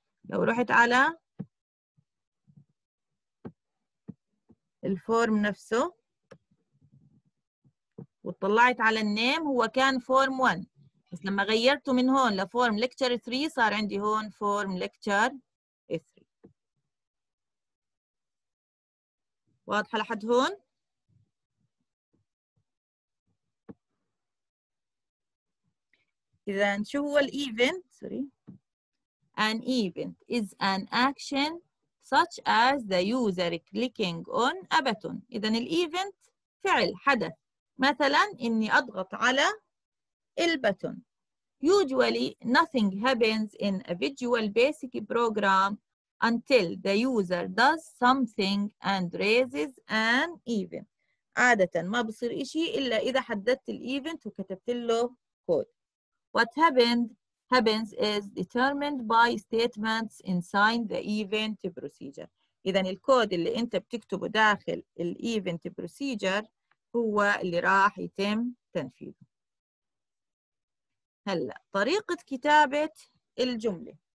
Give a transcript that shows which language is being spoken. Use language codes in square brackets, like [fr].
[ar] لو رحت على الفورم نفسه وطلعت على النيم، هو كان form 1، بس لما غيرته من هون لform lecture 3 صار عندي هون form lecture 3. واضحة لحد هون؟ إذا شو هو الـ event؟ سوري. [en] An event is an action such as the user clicking on a button. [ar] إذا الـ event فعل، حدث، مثلا إني أضغط على الـ button. [en] Usually nothing happens in a visual basic program until the user does something and raises an event. [ar] عادة ما بصير إشي إلا إذا حددت الـ event وكتبت له كود. [en] What happens is determined by statements inside the event procedure. [ar] إذا الكود اللي أنت بتكتبه داخل الـ event procedure هو اللي راح يتم تنفيذه. هلا طريقة كتابة الجملة.